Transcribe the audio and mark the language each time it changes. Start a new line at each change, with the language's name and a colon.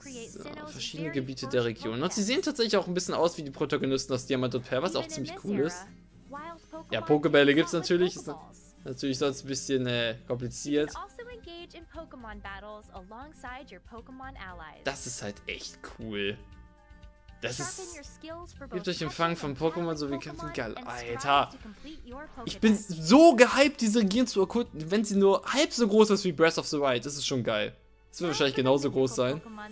German: So, verschiedene Gebiete der Region. Und sie sehen tatsächlich auch ein bisschen aus wie die Protagonisten aus Diamant und Perl, was auch ziemlich cool ist. Ja, Pokebälle gibt es natürlich. Ist natürlich sonst ein bisschen kompliziert.
English: engage in Pokémon battles alongside your Pokémon allies.
German: Das ist halt echt cool. Das ist. Gebt euch Empfang von Pokémon sowie Kämpfen. Geil, Alter. Ich bin so gehypt, diese Region zu erkunden. Wenn sie nur halb so groß ist wie Breath of the Wild, das ist schon geil. Das wird wahrscheinlich genauso groß sein.